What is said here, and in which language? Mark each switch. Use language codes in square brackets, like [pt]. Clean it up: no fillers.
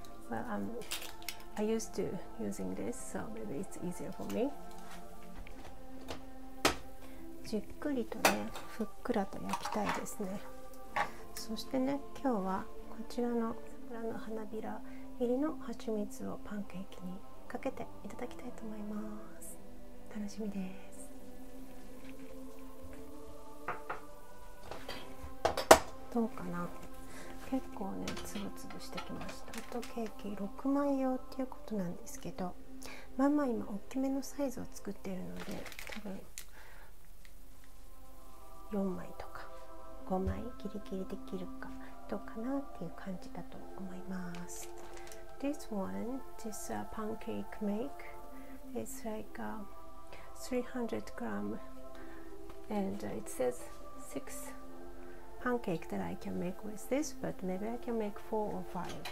[en] Well, I used to using this, so maybe it's easier for me. [ja] じっくりとね、ふっくらと焼きたいですね。そしてね、今日はこちらの桜の花びら入りの蜂蜜をパンケーキにかけていただきたいと思います。楽しみです。どうかな、結構ねつぶつぶしてきました。ホットケーキ6枚用っていうことなんですけど、まあまあ今大きめのサイズを作っているので多分4枚とか5枚ギリギリできるかどうかなっていう感じだと思います。 [en] This one, this pancake make is like a 300 gram and it says 6 pancake that I can make with this, but maybe I can make 4 or 5.